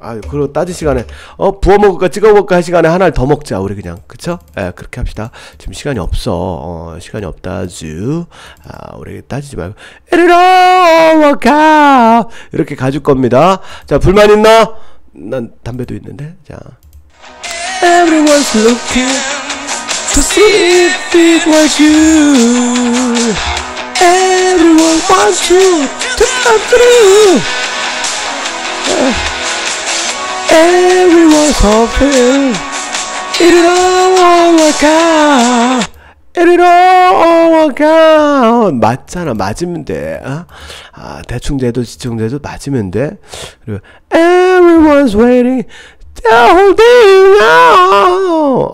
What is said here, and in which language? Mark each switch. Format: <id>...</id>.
<ko>아, 그리고 따질 시간에 부어 먹을까 찍어 먹을까 할 시간에 하나를 더 먹자 우리 그냥. 그쵸? 예, 그렇게 합시다. 지금 시간이 없어. 시간이 없다즈. 아, 우리 따지지 말고 이리롤 work. 이렇게 가줄 겁니다. 자, 불만 있나? 난 담배도 있는데.</ko> <en>자, Everyone's looking to see if it was you. Everyone wants you to come through. Everyone's hoping it'll all work out. It'll all work out.</en> <ko>맞잖아, 맞으면 돼. 어? 아, 대충 돼도 지청 돼도 맞으면 돼.</ko> <en>그리고 Everyone's waiting to hold it out.</en>